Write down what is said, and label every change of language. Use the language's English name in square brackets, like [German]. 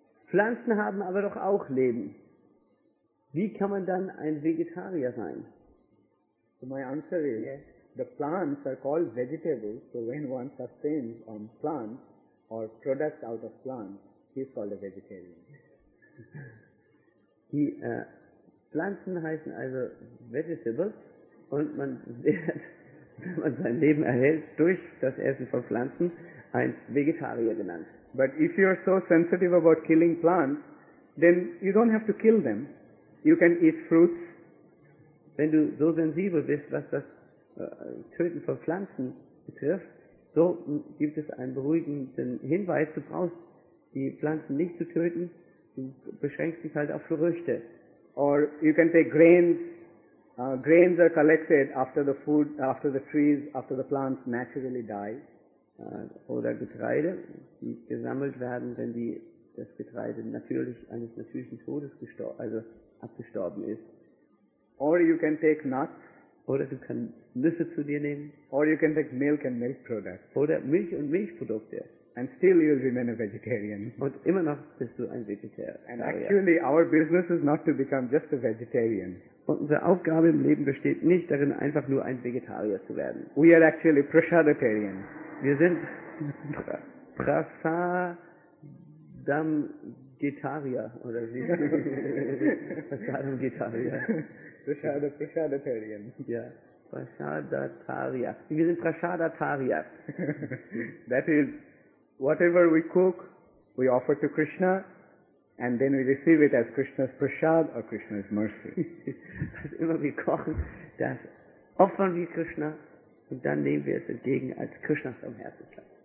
[German] Pflanzen haben aber doch auch Leben. Wie kann man dann ein Vegetarier sein? [English] So my answer is, yes. The plants are called vegetables, so when one sustains on plants or products out of plants, he's called a vegetarian. [German] Die Pflanzen heißen also Vegetables und man wird, wenn man sein Leben erhält durch das Essen von Pflanzen, ein Vegetarier genannt. [English] But if you are so sensitive about killing plants, then you don't have to kill them. You can eat fruits. [German] Wenn du so sensibel bist, was das Töten von Pflanzen betrifft, so gibt es einen beruhigenden Hinweis, du brauchst die Pflanzen nicht zu töten. Du beschränkst dich halt auf Früchte. [English] Or you can take grains. Grains are collected after the food, after the trees, after the plants naturally die. [German] Oder Getreide, die gesammelt werden, wenn das Getreide natürlich eines natürlichen Todes abgestorben ist. [English] Or you can take nuts. [German] Oder du kannst Nüsse zu dir nehmen. [English] Or you can take milk and milk products. [German] Oder Milch und Milchprodukte. [English] And still you'll remain a vegetarian. [German] Und immer noch bist du ein Vegetarier. [English] And actually our business is not to become just a vegetarian. [German] Und unsere Aufgabe im Leben besteht nicht darin, einfach nur ein Vegetarier zu werden. [English] We are actually prasadatarian. [German] Wir sind Prasadam Gitaria oder wie? Prasadam Gitaria. [English] Prasadatarian. [German] Ja. Prasadataria. Wir sind Prasadataria. [English] That is, whatever we cook, we offer to Krishna, and then we receive it as Krishna's prasad or Krishna's mercy. [German] Was immer wir kochen, das opfern wir Krishna, und dann nehmen wir es entgegen als Krishnas Barmherzigkeit.